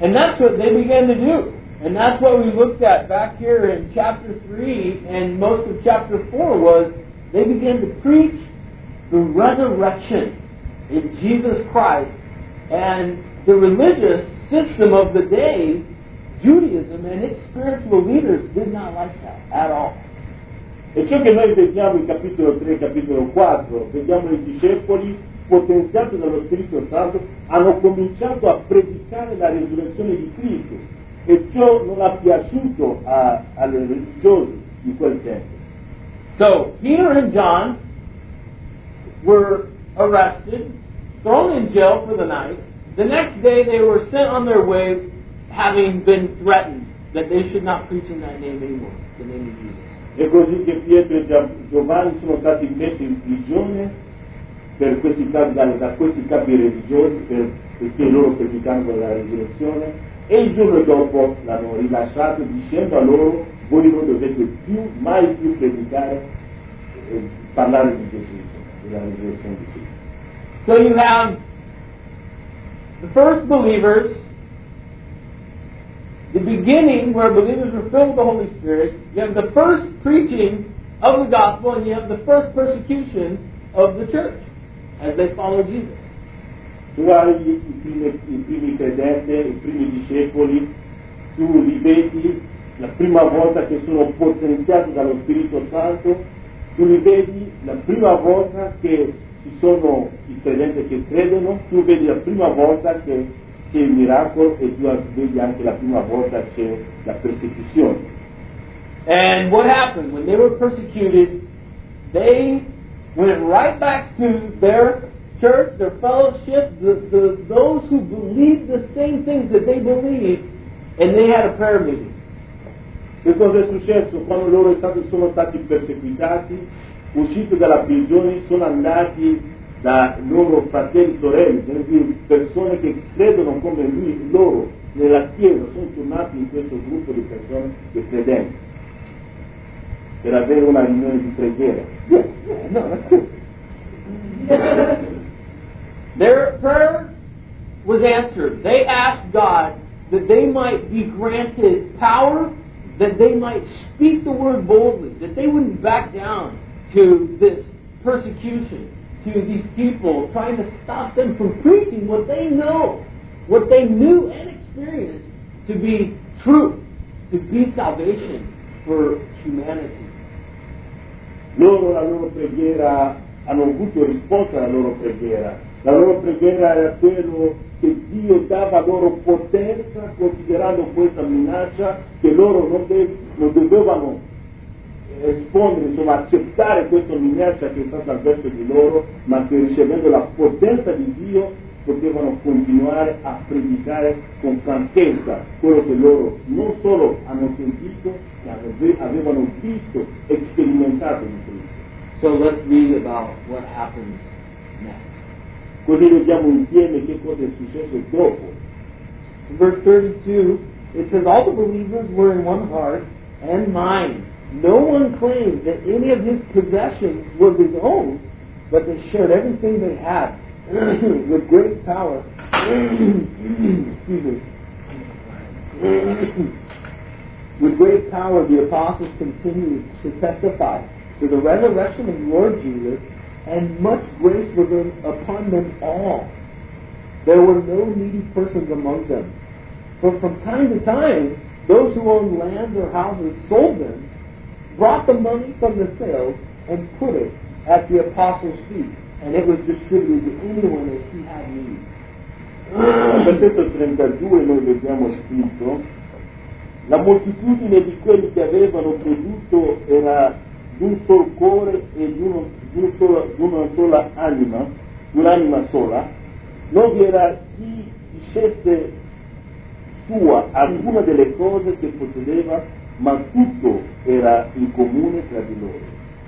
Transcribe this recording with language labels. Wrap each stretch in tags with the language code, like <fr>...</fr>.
<en>And that's what they began to do. And that's what we looked at back here in chapter 3 and most of chapter 4 was they began to preach the resurrection in Jesus Christ and the religious system of the day, Judaism and its spiritual leaders did not like that at all.</en> <it>E ciò che noi vediamo in capitolo 3 e capitolo 4, vediamo i discepoli potenziati dallo Spirito Santo hanno cominciato a predicare la resurrezione di Cristo e ciò non ha piaciuto alle religiosi di quel tempo.</it> <en>So Peter and John were arrested, thrown in jail for the night. The next day they were sent on their way having been threatened that they should not preach in that name anymore, the name of Jesus.</en> <it>E così che Pietro e Giovanni sono stati messi in prigione per questi casi, da questi capi religiosi perché loro predicavano la resurrezione e il giorno dopo l'hanno rilasciato dicendo a loro voi non dovete più, mai più predicare e parlare di Gesù, della resurrezione di Gesù.</it> <en>So you have the first believers, the beginning where believers were filled with the Holy Spirit, you have the first preaching of the gospel, and you have the first persecution of the church as they follow Jesus.</en> <it>Tu hai i primi credenti, i primi discepoli, tu li vedi la prima volta che sono potenziati dallo Spirito Santo, tu li vedi la prima volta che ci sono i credenti che credono, tu vedi la prima volta che c'è il miracolo e tu vedi anche la prima volta c'è la persecuzione.</it> <en>And what happened? When they were persecuted, they went right back to their church, their fellowship, those who believed the same things that they believed, and they had a prayer meeting.</en> <it>Che cosa è successo? Quando loro sono stati perseguitati, usciti dalla prigione, sono andati da loro fratelli e sorelle, persone che credono come lui, loro, nella Chiesa, sono tornati in questo gruppo di persone che credenti per avere una riunione di preghiera.</it> <en>Their prayer was answered. They asked God that they might be granted power, that they might speak the word boldly, that they wouldn't back down to this persecution, to these people trying to stop them from preaching what they know, what they knew and experienced to be truth, to be salvation for humanity.</en> <it>Loro, la loro preghiera, hanno avuto risposta alla loro preghiera. La loro preghiera era quello che Dio dava loro potenza considerando questa minaccia che loro non dovevano rispondere, insomma accettare questa minaccia che è stata avverso di loro, ma che ricevendo la potenza di Dio potevano continuare a predicare con franchezza quello che loro non solo hanno sentito, ma avevano visto e sperimentato in Cristo.</it> <en>So let's read about what happens next.</en> <it>Così vediamo insieme che cosa è successo dopo.</it> <en>Verse 32, it says, all the believers were in one heart and mind. No one claimed that any of his possessions was his own, but they shared everything they had with great power. Excuse me. With great power, the apostles continued to testify to the resurrection of the Lord Jesus, and much grace was upon them all. There were no needy persons among them. But from time to time, those who owned lands or houses sold them, brought the money from the sales, and put it at the apostles' feet, and it was distributed to anyone as he had need.</en> <it>Versetto 32 noi vediamo scritto: la moltitudine di quelli che avevano creduto era di un solo cuore e di un'anima sola. Non vi era chi dicesse sua alcuna delle cose che possedeva, ma tutto era in comune tra di loro.</it>